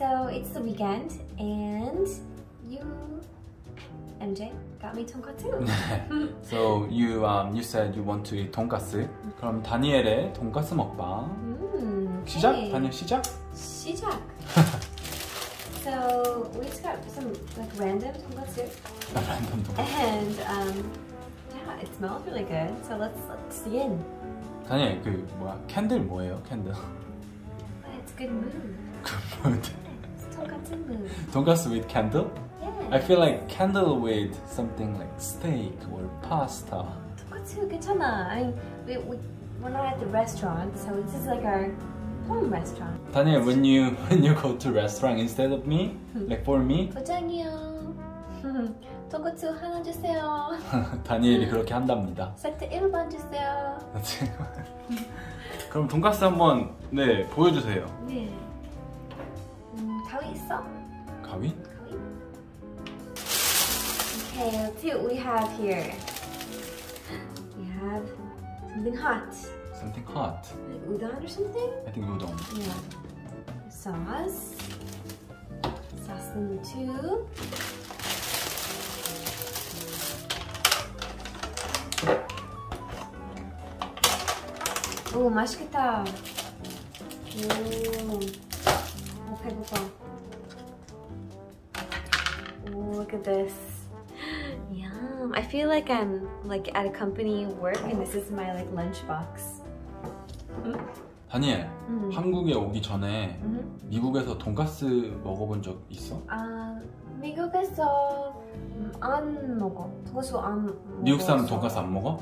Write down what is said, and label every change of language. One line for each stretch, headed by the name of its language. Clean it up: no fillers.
English: it's the weekend and you, MJ, got me tonkatsu. So you, you said you want to eat tonkatsu.
Korean: 그럼 다니엘의 돈가스 먹방. 시작? 다니엘 시작? 시작.
English: So we just got some like random tonkatsu. Random tonkatsu. And yeah, it smells really good. So let's see in.
Korean: 다니엘 그 뭐야 캔들 뭐예요 캔들?
English: Good mood. Good mood. Tonkatsu with candle? Yeah. I feel like candle with something like steak or pasta.
Korean: Tonkatsu, 괜찮아.
English: I mean, we're not at the restaurant, so this is like our home restaurant. Daniel, when you go to restaurant instead of me, like for me?
Korean: 부장이요. 돈가스 하나 주세요. 다니엘이 그렇게 한답니다. 세트 1번 주세요. 그럼 돈가스 한번 네 보여주세요. 네. 가위 있어? 가위? 가위.
English: Okay, let's see what we have here. We have something hot. Something hot. Like udon or something? I think udon. Yeah. Sauce number two. Oh,
Korean: 맛있겠다.
English: Oh, let's try. Oh, look at this. Yum. I feel like I'm like at a company work, and this is my like lunch box.
Korean: 다니엘, 한국에 오기 전에 미국에서 돈가스 먹어본 적 있어? 아, 미국에서 안 먹어. 돈가스 안. 미국 사람 돈가스 안 먹어?